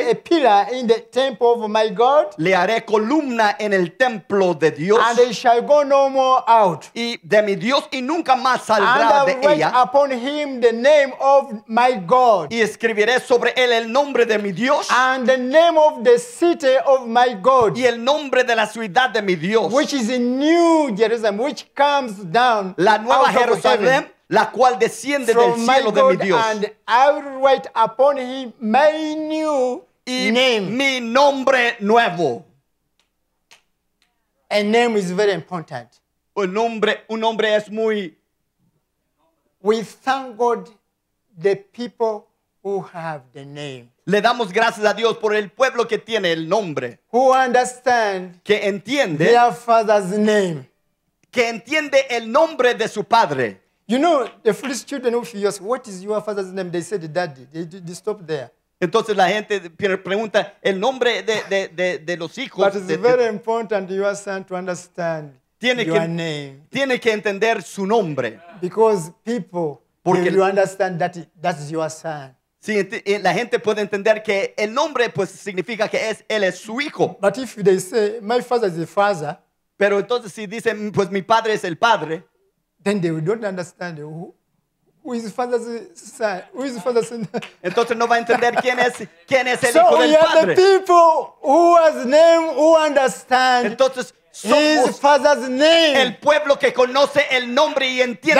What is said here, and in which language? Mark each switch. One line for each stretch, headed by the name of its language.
English: I make a pillar in the temple of my God.
Spanish: Le haré columna en el templo de Dios.
English: And they shall go no more out.
Spanish: Y de mi Dios y nunca más saldrá
English: and
Spanish: de ella.
English: And I write upon him the name of my God.
Spanish: Y escribiré sobre él el nombre de mi Dios.
English: And the name of the city of my God.
Spanish: Y el nombre de la ciudad de mi Dios.
English: Which is a new Jerusalem, which comes down.
Spanish: La nueva Jerusalén. La cual desciende
English: from
Spanish: del cielo
English: God,
Spanish: de mi Dios.
English: And I will write upon him my new
Spanish: y
English: name.
Spanish: Mi nombre nuevo.
English: A name is very important.
Spanish: Un nombre es muy.
English: We thank God the people who have the name.
Spanish: Le damos gracias a Dios por el pueblo que tiene el nombre.
English: Who understand
Spanish: que entiende
English: their father's name.
Spanish: Que entiende el nombre de su padre.
English: You know, the foolish children who ask, what is your father's name? They said, daddy. They stop there.
Spanish: Entonces la gente pregunta el nombre de los hijos.
English: But it's very important your son to understand
Spanish: tiene
English: your
Spanish: que,
English: name.
Spanish: Tiene que entender su nombre.
English: Because people,
Spanish: porque
English: if you understand that that is your son.
Spanish: Sí, la gente puede entender que el nombre pues significa que es, él es su hijo.
English: But if they say, my father is the father.
Spanish: Pero entonces si dicen, pues mi padre es el padre.
English: Then they don't understand who is father's son. Who is father's son?
Spanish: Entonces no va a entender quién es el
English: so
Spanish: hijo del padre.
English: So we have the people who has name who understand.
Spanish: Entonces somos
English: his father's name.
Spanish: El pueblo que conoce el nombre y entiende